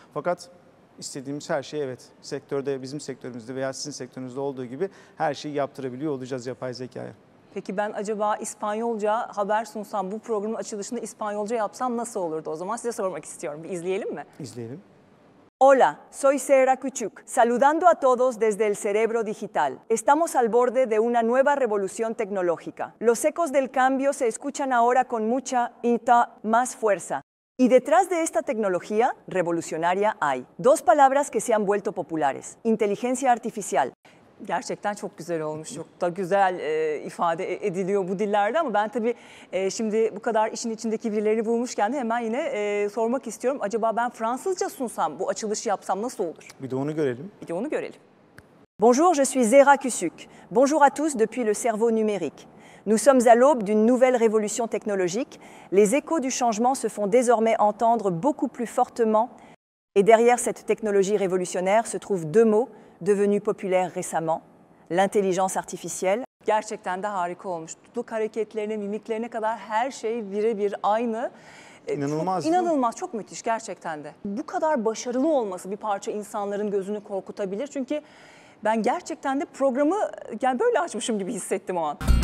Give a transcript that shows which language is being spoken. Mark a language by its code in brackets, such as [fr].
[tr] Fakat istediğimiz her şey, evet, sektörde, bizim sektörümüzde veya sizin sektörünüzde olduğu gibi her şeyi yaptırabiliyor olacağız yapay zekaya. Peki ben acaba İspanyolca haber sunsam, bu programın açılışını İspanyolca yapsam nasıl olurdu o zaman? Size sormak istiyorum. Bir izleyelim mi? İzleyelim. [es] Hola, soy Sera Küçük. Saludando a todos desde el cerebro digital. Estamos al borde de una nueva revolución tecnológica. Los ecos del cambio se escuchan ahora con mucha y más fuerza. Y detrás de esta tecnología revolucionaria hay dos palabras que se han vuelto populares. Inteligencia artificial. [tr] Gerçekten çok güzel olmuş. Çok da güzel ifade ediliyor bu dillerde ama ben tabii şimdi bu kadar işin içindeki birileri bulmuşken de hemen yine sormak istiyorum. Acaba ben Fransızca sunsam, bu açılışı yapsam nasıl olur? Bir de onu görelim. Bir de onu görelim. [fr] Bonjour, je suis Zera Küçük. Bonjour à tous depuis le cerveau numérique. Nous sommes à l'aube d'une nouvelle révolution technologique. Les échos du changement se font désormais entendre beaucoup plus fortement. Et derrière cette technologie révolutionnaire se trouvent deux mots devenus populaires récemment, l'intelligence artificielle. [tr] Gerçekten de harika olmuş. Tutuk hareketlerine, mimiklerine kadar her şey birebir aynı. İnanılmaz. İnanılmaz, çok müthiş gerçekten de. Bu kadar başarılı olması bir parça insanların gözünü korkutabilir. Çünkü ben gerçekten de programı yani böyle açmışım gibi hissettim o an.